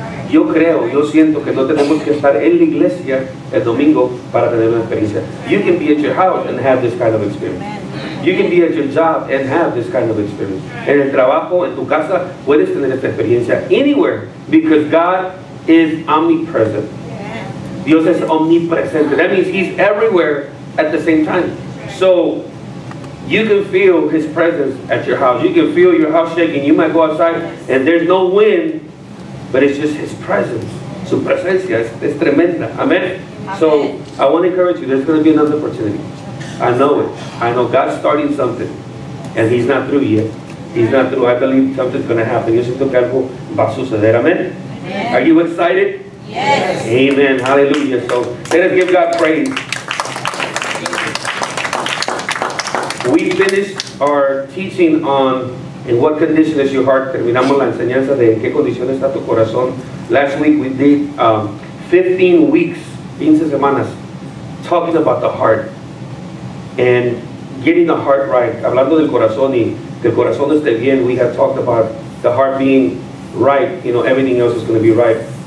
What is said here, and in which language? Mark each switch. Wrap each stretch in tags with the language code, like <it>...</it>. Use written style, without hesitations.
<es>Yo creo, yo siento que no tenemos que estar en la iglesia el domingo para tener una experiencia.</es> <en>You can be at your house and have this kind of experience. You can be at your job and have this kind of experience.</en> <es>En el trabajo, en tu casa, puedes tener esta experiencia</es> <en>anywhere, because God is omnipresent.</en> <es>Dios es omnipresente.</es> <en>That means he's everywhere at the same time. So you can feel his presence at your house. You can feel your house shaking. You might go outside and there's no wind, but it's just his presence.</en> <es>Su presencia es tremenda.</es> <en>Amen. So I want to encourage you, there's going to be another opportunity. I know it. I know God's starting something, and he's not through yet. He's not through. I believe something's going to happen.</en> <es>Yo siento que algo va a suceder.</es> <en>Amen. Are you excited? Yes. Amen. Hallelujah. So let us give God praise. We finished our teaching on in what condition is your heart.</en> <es>Terminamos la enseñanza de en qué condición está tu corazón.</es> <en>Last week we did 15 weeks,</en> <es>15 semanas,</es> <en>talking about the heart. And getting the heart right,</en> <es>hablando del corazón y que el corazón esté bien,</es> <en>we have talked about the heart being right, you know, everything else is going to be right.</en>